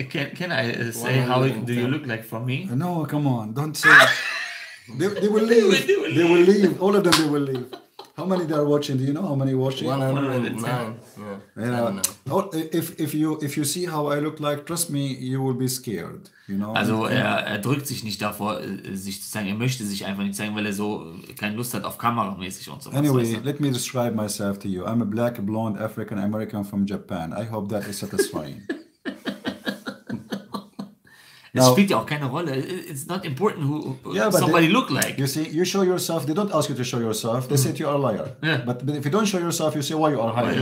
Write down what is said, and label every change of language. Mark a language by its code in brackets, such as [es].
[en] Can I say how you look like for me? No, come on, don't say. they will leave. They will leave. All of them, they will leave. How many they are watching? Do you know how many watching? 100. Yeah. I don't know. If you see how I look like, trust me, you will be scared. You know. [de] Also er drückt sich nicht davor, sich zu zeigen. Er möchte sich einfach nicht zeigen, weil er so keine Lust hat auf kameramäßig und so. [en] Anyway, let me describe myself to you. I'm a black, blonde, African American from Japan. I hope that is satisfying. Now, [de] es spielt ja auch keine Rolle. [en] It's not important who somebody look like. You see, you show yourself. They don't ask you to show yourself. They say you are a liar. Yeah. But if you don't show yourself, you say, why you are hiding?